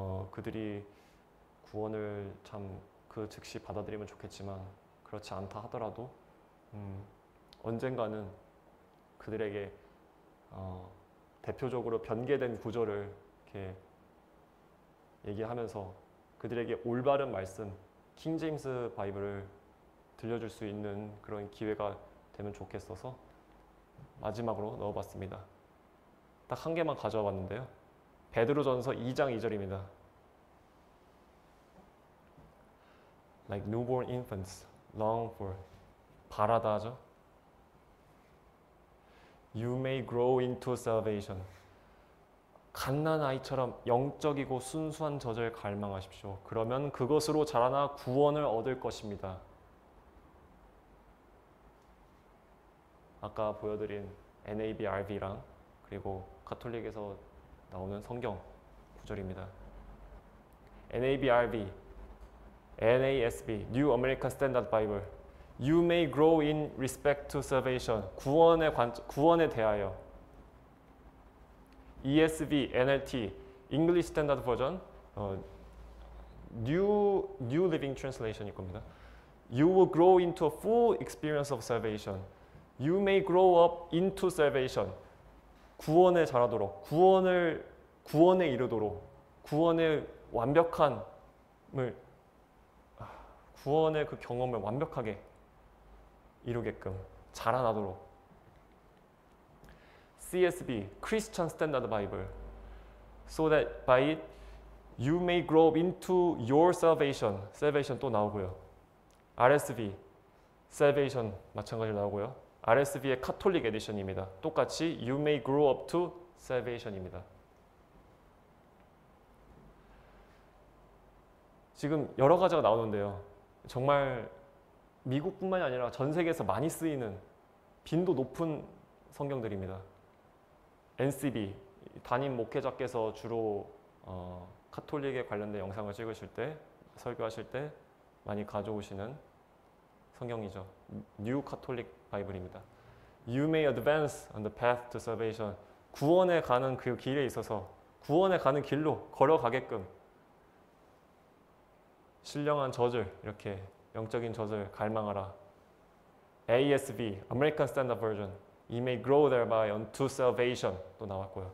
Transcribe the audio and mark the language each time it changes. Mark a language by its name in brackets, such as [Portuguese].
[Korean] 그들이 구원을 참그 즉시 받아들이면 좋겠지만 그렇지 않다 하더라도 언젠가는 그들에게 대표적으로 변개된 구절을 이렇게 얘기하면서 그들에게 올바른 말씀, 킹제임스 바이블을 들려줄 수 있는 그런 기회가 되면 좋겠어서 마지막으로 넣어봤습니다. 딱한 개만 가져와봤는데요. 베드로전서 2장 2절입니다. [English] Like newborn infants long for [Korean] 바라다 하죠. [English] You may grow into salvation. [Korean] 갓난 아이처럼 영적이고 순수한 저절 갈망하십시오. 그러면 그것으로 자라나 구원을 얻을 것입니다. 아까 보여드린 NABRV랑 그리고 가톨릭에서 나오는 성경 구절입니다. [English] NABRV, NASB, New American Standard Bible. You may grow in respect to salvation. [Korean] 구원에 대하여. [English] ESV, NLT, English Standard Version, New Living Translation일 [Korean] 겁니다. [English] You will grow into a full experience of salvation. You may grow up into salvation. [Korean] 구원에 자라도록, 구원에 이르도록, 구원의 완벽함을, 구원의 그 경험을 완벽하게 이루게끔 자라나도록. [English] CSB, Christian Standard Bible. So that by it, you may grow up into your salvation. [Korean] Salvation 또 나오고요. RSV, Salvation 마찬가지로 나오고요. [English] RSV의 Catholic Edition입니다. [Korean] 똑같이 [English] You may grow up to salvation입니다. [Korean] 지금 여러 가지가 나오는데요. 정말 미국뿐만이 아니라 전 세계에서 많이 쓰이는 빈도 높은 성경들입니다. NCB, 담임 목회자께서 주로 카톨릭에 관련된 영상을 찍으실 때, 설교하실 때 많이 가져오시는 성경이죠. [English] New Catholic Bible입니다. You may advance on the path to salvation. [Korean] 구원에 가는 그 길에 있어서, 구원에 가는 길로 걸어가게끔 신령한 젖을, 이렇게 영적인 젖을 갈망하라. [English] ASV, American Standard Version. You may grow thereby unto salvation. [Korean] 또 나왔고요.